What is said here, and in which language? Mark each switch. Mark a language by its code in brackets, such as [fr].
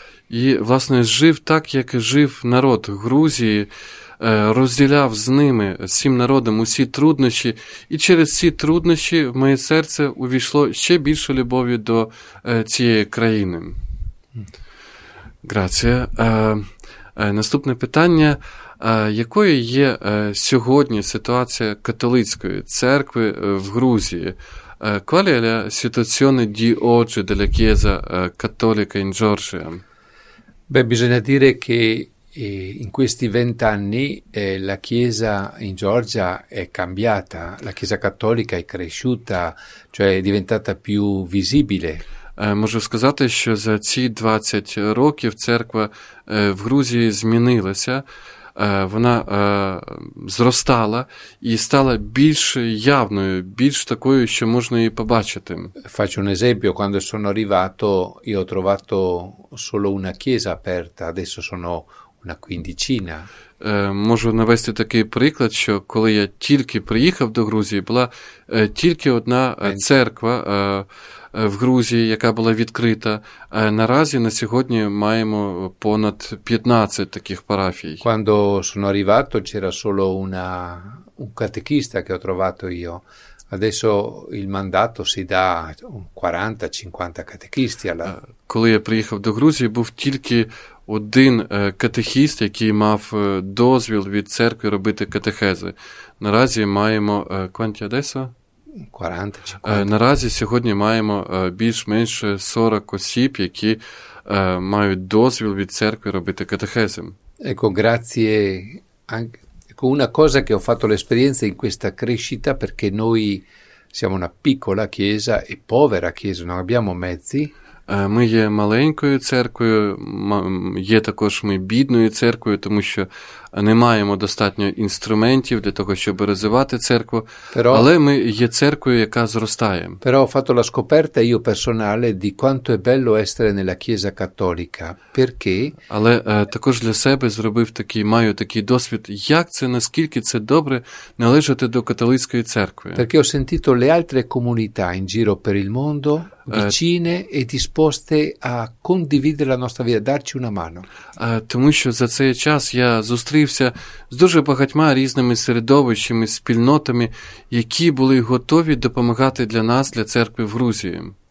[uk] І, власне, жив так, як жив народ Грузії, розділяв з ними, з цим народом, усі труднощі, і через ці труднощі в моє серце увійшло ще більше любові до цієї країни. [it] Grazie. [uk] Наступне питання. Якою є сьогодні ситуація католицької церкви в Грузії? [it] Qual è la situazione di oggi della Chiesa Cattolica in Georgia? Beh, bisogna dire che in questi vent'anni la Chiesa in Georgia è cambiata, la Chiesa Cattolica è cresciuta, cioè è diventata più visibile. [uk] Можу сказати, що за ці 20 років церква в Грузії змінилася, вона зростала і стала більш явною, більш такою, що можна її побачити. [it] Faccio un esempio, quando sono arrivato io ho trovato solo una chiesa aperta, adesso sono una quindicina. [uk] Можу навести такий приклад, що коли я тільки приїхав до Грузії, була тільки одна церква в Грузії, яка була відкрита. Наразі, на сьогодні, маємо понад 15 таких парафій. [it] Quando sono arrivato c'era solo un catechista che ho trovato io. Adesso il mandato si dà 40-50 catechisti. [uk] Коли я приїхав до Грузії, був тільки один катехіст, який мав дозвіл від церкви робити катехези. Наразі маємо [it] quanti adesso? 40-50. [uk] Наразі сьогодні маємо більш-менш 40 осіб, які мають дозвіл від церкви робити катехези. [it] Ecco, grazie anche. Una cosa che ho fatto l'esperienza in questa crescita, perché noi siamo una piccola chiesa e povera chiesa, non abbiamo mezzi. [uk] Ми є маленькою церквою, є також ми бідною церквою, тому що не маємо достатньо інструментів для того, щоб розвивати церкву, però, але ми є церквою, яка зростає. [it] Però ho fatto la scoperta io personale di quanto è bello essere nella Chiesa Cattolica, perché... [uk] Але також для себе зробив такий, маю такий досвід, як це, наскільки це добре належати до католицької церкви. [it] Perché ho sentito le altre comunità in giro per il mondo... vicine e disposte a condividere la nostra vita, darci una mano. [uk] Тому що за цей час я зустрівся з дуже багатьма різними середовищами, спільнотами, які були готові допомагати для нас, для церкви в Грузії.